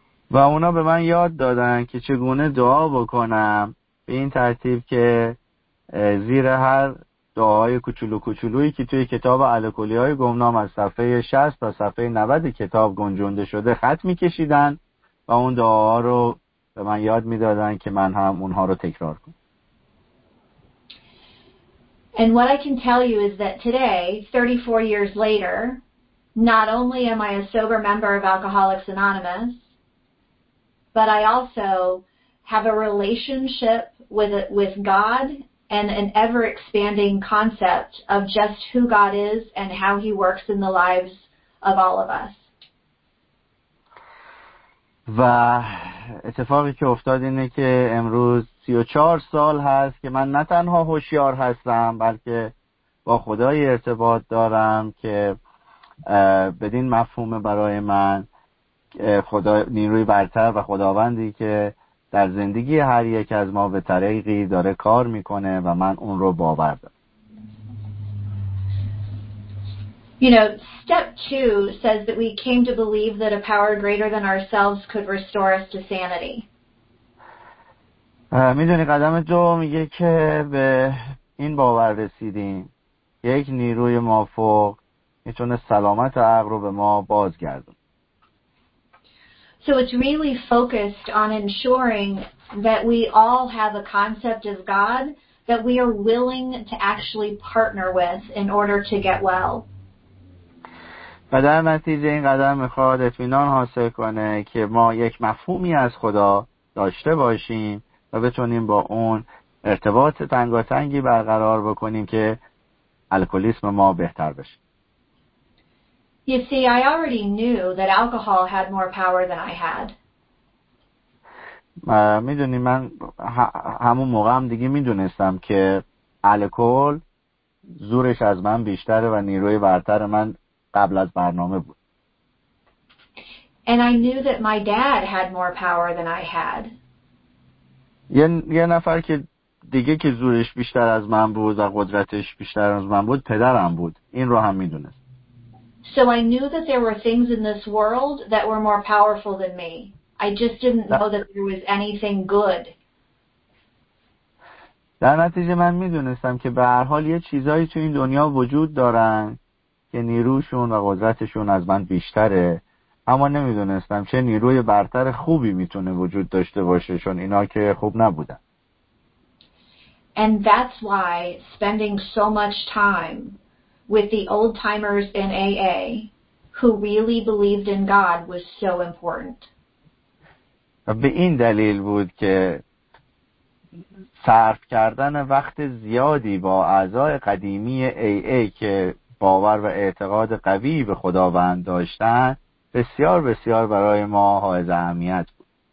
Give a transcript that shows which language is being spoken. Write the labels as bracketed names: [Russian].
[Persian] و اونا به من یاد دادن که چگونه دعا بکنم، به این ترتیب که زیر هر دعای کوچولو کوچولویی که توی کتاب الکلی‌های گمنام از صفحه 60 تا صفحه 90 کتاب گنجونده شده خط می‌کشیدن و اون دعاها رو به من یاد می‌دادن که من هم اونها رو تکرار کنم. [English] And what I can tell you is that today, 34 years later, not only am I a sober member of Alcoholics Anonymous, but I also have a relationship with God and an ever expanding concept of just who God is and how he works in the lives of all of us. [Persian] و اتفاقی که افتاد اینه که امروز 34 سال هست که من نه تنها هوشیار هستم بلکه با خدای ارتباط دارم که بدین مفهوم برای من خدا نیروی برتر و خداوندی که در زندگی هر یک از ما به طریقی داره کار میکنه و من اون رو باور دارم. [English] You know, step two says that we came to believe that a power greater than ourselves could restore us to sanity. [Persian] میدونی قدم دو میگه که به این باور رسیدیم یک نیروی مافوق میتونه سلامت عقل رو به ما بازگردون. [English] So it's really focused on ensuring that we all have a concept of God that we are willing to actually partner with in order to get well. [Persian] بدن نتیجه این قدم میخواد اطمینان حاصل کنه که ما یک مفهومی از خدا داشته باشیم و بتونیم با اون ارتباط تنگاتنگی برقرار بکنیم که الکلیسم ما بهتر بشه. [English] You see, I already knew that alcohol had more power than I had. [Persian] میدونی من همون موقع هم دیگه میدونستم که الکل زورش از من بیشتره و نیروی برتر من قبل از برنامه بود. [English] And I knew that my dad had more power than I had. [Persian] یه نفر که دیگه که زورش بیشتر از من بود و قدرتش بیشتر از من بود پدرم بود. این رو هم میدونست. [English] So I knew that there were things in this world that were more powerful than me. I just didn't know that there was anything good. [Persian] در نتیجه من میدونستم که به هر حال یه چیزایی تو این دنیا وجود دارن که نیروشون و قدرتشون از من بیشتره، اما نمیدونستم چه نیروی برتر خوبی میتونه وجود داشته باشه چون اینا که خوب نبودن. [English] And that's why spending so much time with the old timers in AA who really believed in God was so important. [Persian] به این دلیل بود که صرف کردن وقت زیادی با اعضای قدیمی AA که باور و اعتقاد قوی به خداوند داشتن بسیار بسیار برای ما حائز اهمیت بود.